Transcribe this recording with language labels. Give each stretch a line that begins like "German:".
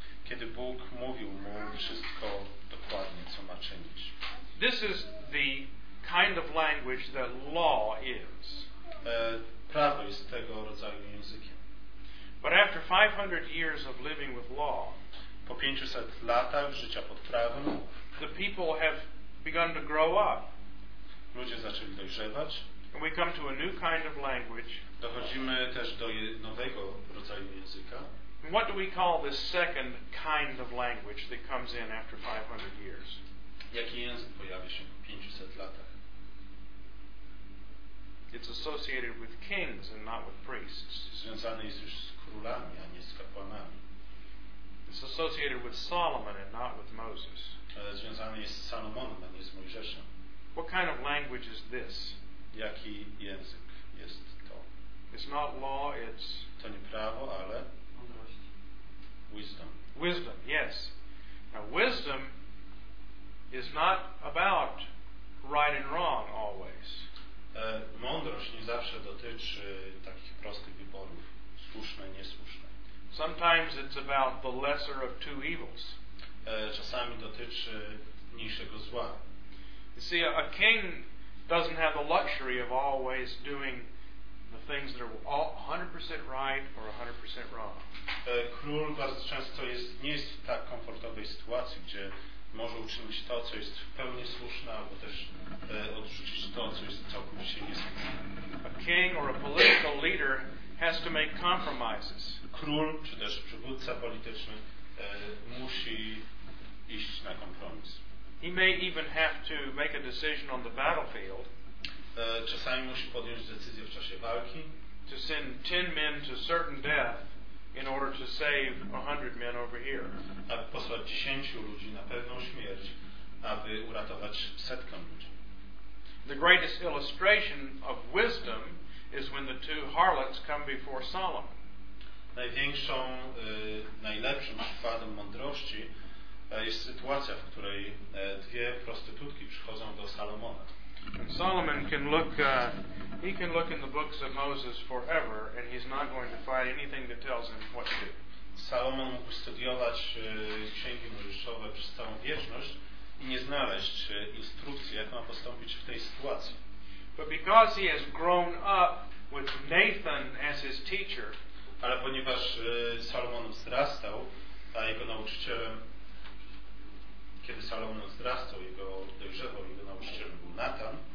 Polish: Kiedy Bóg mówił mu wszystko dokładnie, co ma czynić.
English: This is the kind of language that law is.
Polish: Prawo jest tego rodzaju językiem.
English: But after 500 years of living with law,
Polish: po 500 latach życia pod prawem,
English: the people have begun to grow up.
Polish: Ludzie zaczęli dojrzewać.
English: And we come to a new kind of language.
Polish: Dochodzimy też do nowego rodzaju języka.
English: What do we call this second kind of language that comes in after 500 years?
Polish: Jaki język pojawi się po 500 latach?
English: It's associated with kings and not with priests.
Polish: Związany jest już z królami, a nie z kapłanami.
English: It's associated with Solomon and not with Moses.
Polish: Związany jest z Salomonem, a nie z Mojżeszem.
English: What kind of language is this?
Polish: Jaki język jest to?
English: It's not law, it's...
Polish: To nie prawo, ale...
English: Wisdom. Wisdom, yes. Now, wisdom is not about right and wrong always.
Polish: Mądrość nie zawsze dotyczy takich prostych wyborów, słuszne, niesłuszne.
English: Sometimes it's about the lesser of two evils.
Polish: Czasami dotyczy mniejszego zła.
English: You see, a king doesn't have the luxury of always doing the things that are 100% right or 100% wrong.
Polish: Król bardzo często nie jest w tak komfortowej sytuacji, gdzie może uczynić to, co jest w pełni słuszne, albo też odrzucić to, co jest całkowicie niesłuszne.
English: A king or a political leader has to make compromises.
Polish: Król czy też przywódca polityczny musi iść na kompromis.
English: He may even have to make a decision on the battlefield.
Polish: Czasami musi podjąć decyzję w czasie walki.
English: To send 10 men to certain death in order to save 100 men over here.
Polish: Aby posłać 10 ludzi na pewną śmierć, aby uratować setkę ludzi.
English: The greatest illustration of wisdom is when the two harlots come before Solomon.
Polish: Największą, najlepszym przykładem mądrości jest sytuacja, w której dwie prostytutki przychodzą do Salomona.
English: And Solomon can look he can look in the books of Moses forever and he's not going to find anything that tells him what to do.
Polish: Salomon mógł studiować księgi Mojżeszowe przez całą wieczność i nie znaleźć instrukcji, jak ma postąpić w tej sytuacji.
English: But because he has grown up with Nathan as his teacher,
Polish: ale ponieważ Salomon wzrastał, a jego nauczycielem, kiedy Salomon wzrastał, jego dojrzewał, jego nauczycielem był Natan.